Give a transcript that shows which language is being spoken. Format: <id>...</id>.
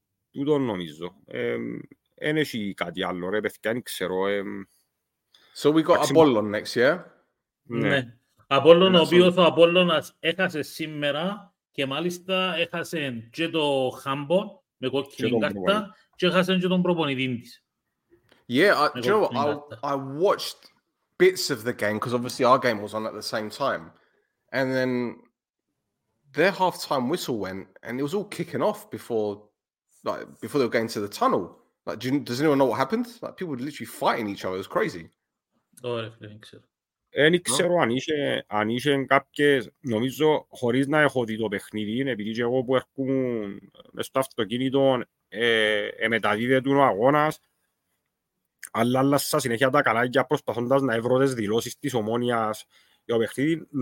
<el>Τούτο νομίζω. Εν έχει κάτι άλλο, ρε παιδιά, δεν ξέρω.</el> <en>So we got Apollon next, yeah?</en> <el>Ναι. Απόλλων, ο οποίος ο Απόλλωνας έχασε σήμερα και μάλιστα έχασε και το χάμπο με κόκκινη κάρτα και έχασε και τον προπονητή της.</el> <en>Yeah, you know what, I watched bits of the game because obviously our game was on at the same time, and then their half-time whistle went and it was all kicking off before they were going to the tunnel. Like, does anyone know what happened? Like, people were literally fighting each other. It was crazy.</en> <el>Δεν ξέρω αν είχε κάποιες, νομίζω, χωρίς να έχω δει το παιχνίδι, επειδή και εγώ που έρχομαι στο αυτοκίνητο μεταδίδεται ο αγώνας, αλλά άλλασα συνέχεια τα καλάκια προσπαθώντας να έβρω τις δηλώσεις της Ομόνοιας για το παιχνίδι.</el>